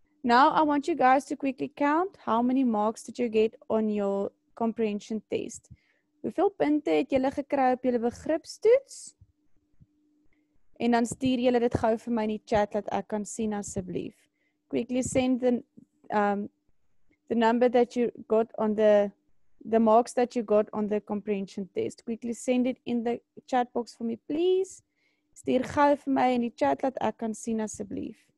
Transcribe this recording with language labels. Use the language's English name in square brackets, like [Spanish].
[English] Now I want you guys to quickly count how many marks did you get on your comprehension test. [Afrikaans] Hoeveel punte het julle gekry op julle begripstoets? En dan stuur julle dit gou vir my in die chat dat ek kan sien asseblief. [English] Quickly send the number that you got on the marks that you got on the comprehension test. Quickly send it in the chat box for me, please. [Afrikaans] Stuur gou vir my in die chat, laat ek kan sien asseblief.